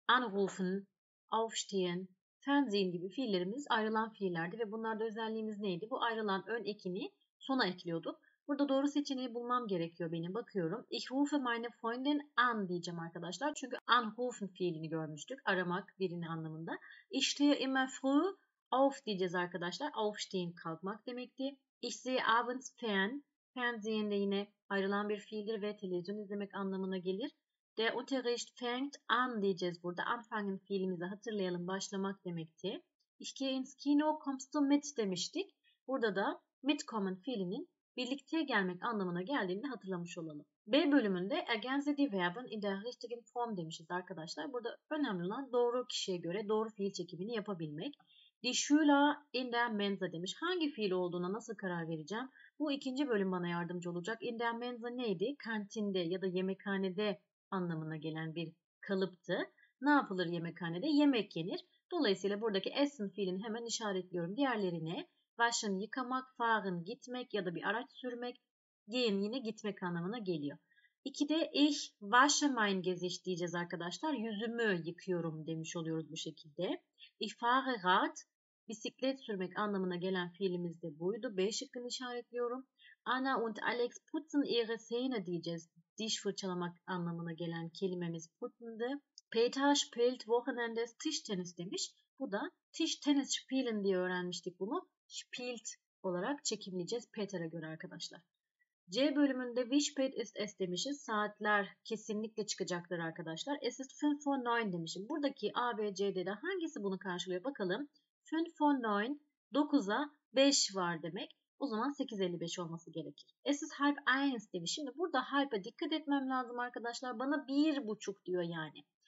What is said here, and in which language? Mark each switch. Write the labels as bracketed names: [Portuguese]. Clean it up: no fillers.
[Turkish] Anrufen, aufstehen, fernsehen gibi fiillerimiz ayrılan fiillerdi. Ve bunlarda özelliğimiz neydi? Bu ayrılan ön ekini sona ekliyorduk. Burada doğru seçeneği bulmam gerekiyor benim. Bakıyorum. [German] Ich rufe meine Freundin an [Turkish] diyeceğim arkadaşlar. Çünkü anrufen fiilini görmüştük. Aramak birini anlamında. [German] Ich stehe immer früh auf [Turkish] diyeceğiz arkadaşlar. [German] Aufstehen [Turkish] kalkmak demekti. [German] Ich sehe abends fern. [Turkish] Fernsehen de yine ayrılan bir fiildir ve televizyon izlemek anlamına gelir. [German] Der Unterricht fängt an [Turkish] diyeceğiz burada. [German] Anfangen [Turkish] fiilimizi hatırlayalım. Başlamak demekti. [German] Ich gehe ins Kino, kommst du mit demiştik. [Turkish] Burada da mitkommen fiilinin birlikte gelmek anlamına geldiğini hatırlamış olalım. B bölümünde [German] ergänze die Verben in der richtigen Form [Turkish] demişiz arkadaşlar. Burada önemli olan doğru kişiye göre doğru fiil çekimini yapabilmek. [German] Die Schüler in der Mensa [Turkish] demiş. Hangi fiil olduğuna nasıl karar vereceğim? Bu ikinci bölüm bana yardımcı olacak. [German] In der Mensa [Turkish] neydi? Kantinde ya da yemekhanede anlamına gelen bir kalıptı. Ne yapılır yemekhanede? Yemek yenir. Dolayısıyla buradaki essen fiilini hemen işaretliyorum. Diğerlerine waschen yıkamak, fahren gitmek ya da bir araç sürmek, gehen yine gitmek anlamına geliyor. [German] İkide ich wasche mein Gesicht [Turkish] diyeceğiz arkadaşlar. Yüzümü yıkıyorum demiş oluyoruz bu şekilde. [German] Ich fahre Rad, [Turkish] bisiklet sürmek anlamına gelen fiilimiz de buydu. B şıkkını işaretliyorum. [German] Anna und Alex putzen ihre Zähne diyeceğiz. [Turkish] Diş fırçalamak anlamına gelen kelimemiz putzen'dı. [German] Peter spielt Wochenende Tisch Tennis demiş. [Turkish] Bu da [German] Tisch Tennis spielen [Turkish] diye öğrenmiştik bunu. Spielt olarak çekimleyeceğiz Peter'e göre arkadaşlar. C bölümünde [German] wie spät ist es [Turkish] demişiz. Saatler kesinlikle çıkacaktır arkadaşlar. [German] Es ist 5 vor 9 [Turkish] demişim. Buradaki A, B, C'de de hangisi bunu karşılıyor bakalım. 5 vor 9, 9'a 5 var demek. O zaman 8.55 olması gerekir. [German] Es ist halb 1 [Turkish] demişim. Şimdi burada halb'a dikkat etmem lazım arkadaşlar. Bana 1.5 diyor yani.